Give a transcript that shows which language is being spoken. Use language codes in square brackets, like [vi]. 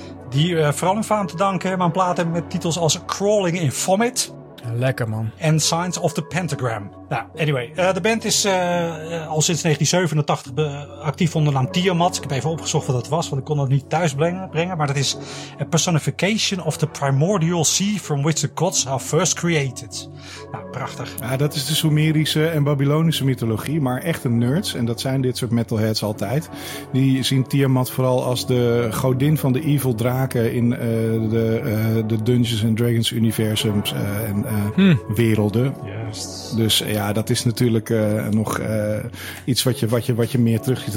[nl] Die vooral een faam te danken aan platen met titels als Crawling in Vomit. Lekker man. En Signs of the Pentagram. Nou, anyway. De band is al sinds 1987 actief onder naam Tiamat. Ik heb even opgezocht wat dat was, want ik kon dat niet thuis brengen. Maar dat is [en] a personification of the primordial sea from which the gods are first created. [nl] Nou, prachtig. Ja, dat is de Sumerische en Babylonische mythologie. Maar echte nerds, en dat zijn dit soort metalheads altijd, die zien Tiamat vooral als de godin van de evil draken in de Dungeons and Dragons universums werelden. Juist. Dus ja, dat is natuurlijk nog iets wat je meer terugziet.